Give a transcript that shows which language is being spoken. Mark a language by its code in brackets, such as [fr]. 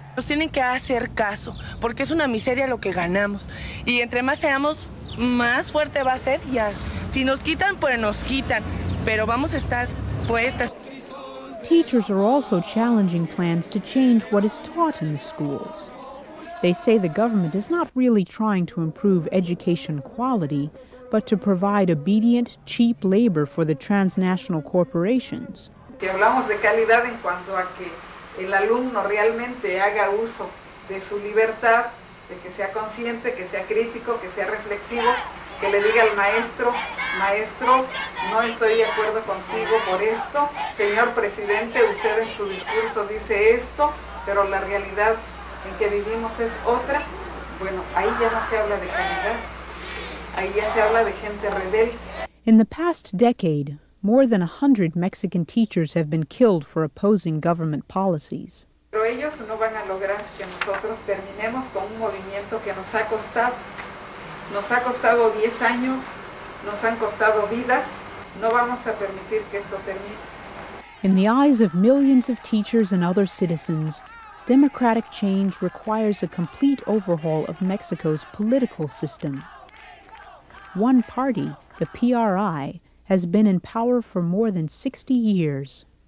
[es] Nos tienen que hacer caso, porque es una miseria lo que ganamos. Y entre más seamos, más fuerte va a ser ya. Si nos quitan, pues nos quitan, pero vamos a estar puestas. [en] Teachers are also challenging plans to change what is taught in the schools. They say the government is not really trying to improve education quality, but to provide obedient, cheap labor for the transnational corporations. [es] Que hablamos de calidad en cuanto a que el alumno realmente haga uso de su libertad, de que sea consciente, que sea crítico, que sea reflexivo, que le diga al maestro, maestro, no estoy de acuerdo contigo por esto, señor presidente, usted en su discurso dice esto, pero la realidad en que vivimos es otra. Bueno, ahí ya no se habla de calidad, ahí ya se habla de gente rebelde. [en] In the past decade, more than 100 Mexican teachers have been killed for opposing government policies. [es] Pero ellos no van a lograr que nosotros terminemos con un movimiento que nos ha costado 10 años, nos han costado vidas. No vamos a permitir que esto termine. [en] In the eyes of millions of teachers and other citizens, democratic change requires a complete overhaul of Mexico's political system. One party, the PRI, has been in power for more than 60 years.